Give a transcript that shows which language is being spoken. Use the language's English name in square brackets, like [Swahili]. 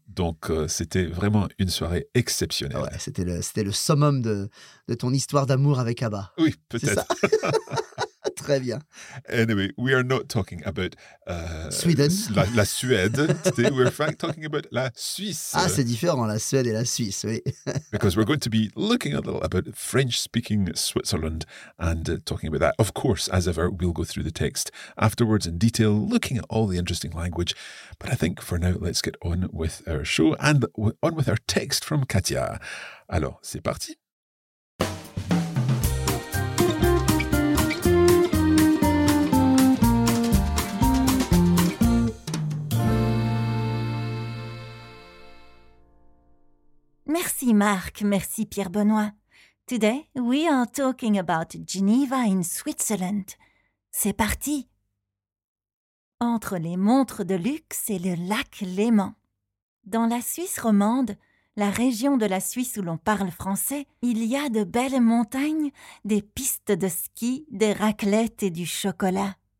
[French] Donc, c'était vraiment une soirée exceptionnelle. Ouais, c'était le summum de ton histoire d'amour avec ABBA. Oui, peut-être. C'est ça. Très bien. [English] Anyway, we are not talking about Sweden. La Suède. Today we're talking about la Suisse. [French] Ah, c'est différent, la Suède et la Suisse, oui. [English] Because we're going to be looking a little about French-speaking Switzerland and talking about that. Of course, as ever, we'll go through the text afterwards in detail, looking at all the interesting language. But I think for now, let's get on with our show and on with our text from Katia. [French] Alors, c'est parti. Merci Marc, merci Pierre-Benoît. [English] Today we are talking about Geneva in Switzerland. [French] C'est parti! Entre les montres de luxe et le lac Léman. Dans la Suisse romande, la région de la Suisse où l'on parle français, il y a de belles montagnes, des pistes de ski, des raclettes et du chocolat.